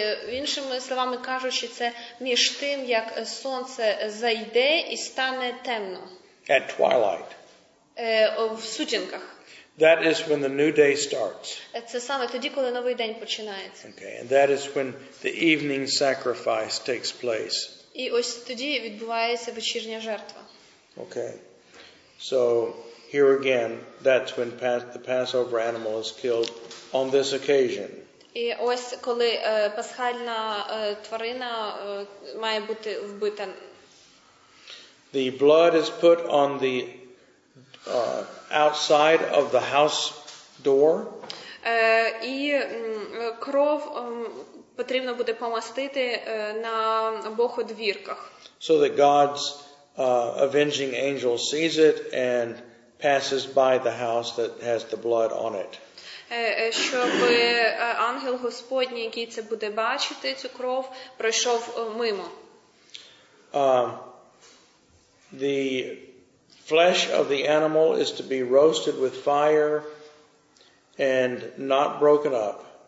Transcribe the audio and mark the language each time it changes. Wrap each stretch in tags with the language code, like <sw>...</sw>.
<uk>Іншими словами кажучи, це між тим, як сонце зайде і стане темно.</uk> <en>At twilight.</en> <uk>В сутінках.</uk> <en>That is when the new day starts.</en> <uk>Це саме тоді, коли новий день починається.</uk> <en>Okay, and that is when the evening sacrifice takes place.</en> <uk>І ось тоді відбувається вечірня жертва.</uk> <en>Okay. So here again, that's when the Passover animal is killed on this occasion.</en> <uk>І ось коли пасхальна тварина має бути вбита.</uk> <en>The blood is put on the outside of the house door.</en> <uk>І кров потрібно буде помастити на обох одвірках.</uk> <en>So that God's avenging angel sees it and passes by the house that has the blood on it.</en> <uk>Щоб ангел Господній, який це буде бачити, цю кров, пройшов мимо.</uk> <en>The flesh of the animal is to be roasted with fire and not broken up.</en>